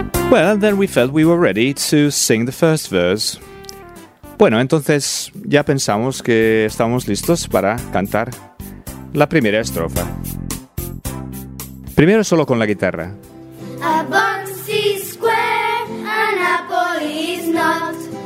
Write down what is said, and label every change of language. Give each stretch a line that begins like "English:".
English: Well, then we felt we were ready to sing the first verse.
Spanish: Bueno, entonces ya pensamos que estamos listos para cantar la primera estrofa. Primero solo con la guitarra.
English: A box is square, an apple is not.